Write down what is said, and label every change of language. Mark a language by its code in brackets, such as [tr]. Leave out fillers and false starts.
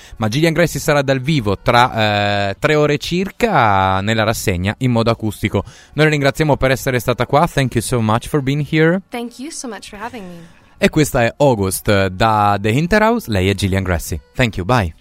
[it] Ma Gillian Gracy sarà dal vivo tra 3 ore circa nella rassegna in modo acustico. Noi la ringraziamo per essere stata qua. [en] Thank you so much for being here. Thank you so much for having me. [it] E questa è August da The Hinterhouse. Lei è Gillian Gracy. [en] Thank you. Bye.